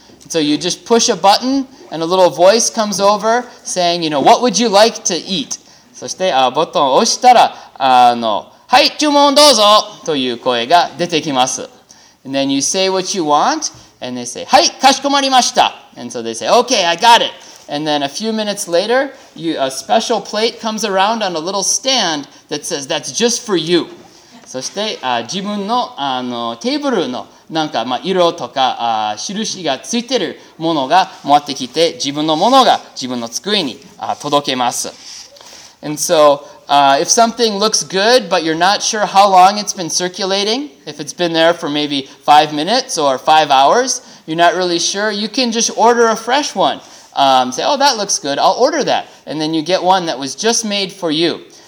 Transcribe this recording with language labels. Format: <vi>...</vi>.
<en>So you just push a button and a little voice comes over saying, you know, what would you like to eat?</en> <ja>そしてボタンを押したら、はい、注文どうぞという声が出てきます。</ja> <en>And then you say what you want, and they say,</en> <ja>"Hai, kashikomarimashita."</ja> <en>And so they say, "Okay, I got it." And then a few minutes later, a special plate comes around on a little stand that says, "That's just for you."</en> <ja>そして自分の、テーブルのなんか、色とか、印がついてるものが回ってきて、自分のものが自分の机に届けます。</ja> <en>And so, if something looks good, but you're not sure how long it's been circulating, if it's been there for maybe 5 minutes or 5 hours, you're not really sure, you can just order a fresh one. Say, oh, that looks good, I'll order that. And then you get one that was just made for you.</en>